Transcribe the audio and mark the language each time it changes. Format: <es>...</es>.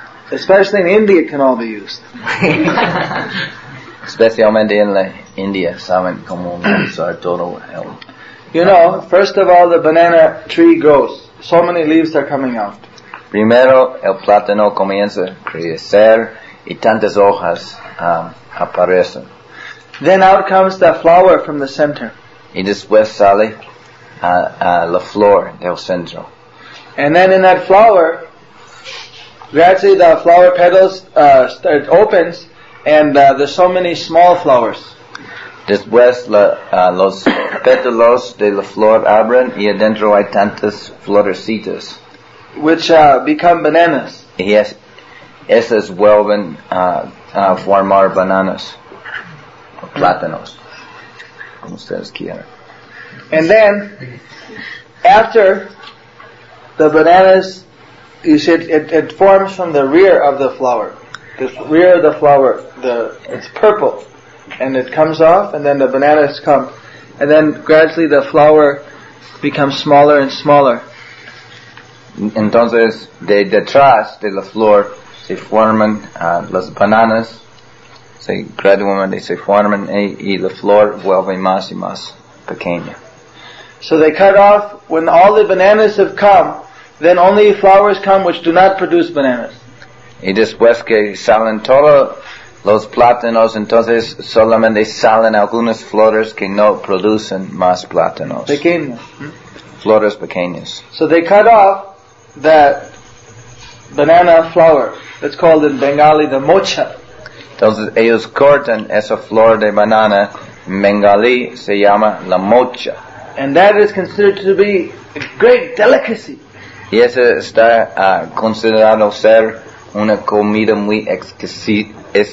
<en>Especially in India, it can all be used.</en> <es>Especialmente en la India, saben cómo usar todo el...</es> <en>You know, first of all, the banana tree grows. So many leaves are coming out.</en> <es>Primero, el plátano comienza a crecer y tantas hojas aparecen.</es> <en>Then out comes the flower from the center.</en> <es>Y después sale la flor del centro.</es> <en>And then in that flower, gradually the flower petals start opens. And there's so many small flowers.</en> <es>Después los pétalos de la flor abren y adentro hay tantas florecitas.</es> <en>Which become bananas.</en> <es>Yes, esas vuelven a formar bananas. O plátanos. Como ustedes quieran.</es> <en>And then, after the bananas, you see it forms from the rear of the flower. The rear of the flower, it's purple, and it comes off, and then the bananas come, and then gradually the flower becomes smaller and smaller.</en> <es>Entonces, de detrás de la flor se forman las bananas, se gradualmente se forman y la flor vuelve más y más pequeña.</es> <en>So they cut off when all the bananas have come, then only flowers come which do not produce bananas.</en> <es>Y después que salen todos los plátanos, entonces solamente salen algunas flores que no producen más plátanos. Pequeños. Flores pequeñas.</es> <en>So they cut off that banana flower. It's called in Bengali the mocha.</en> <es>Entonces ellos cortan esa flor de banana. En Bengali se llama la mocha.</es> <en>And that is considered to be a great delicacy.</en> <es>Y eso está considerado ser una comida muy exquisita.</es>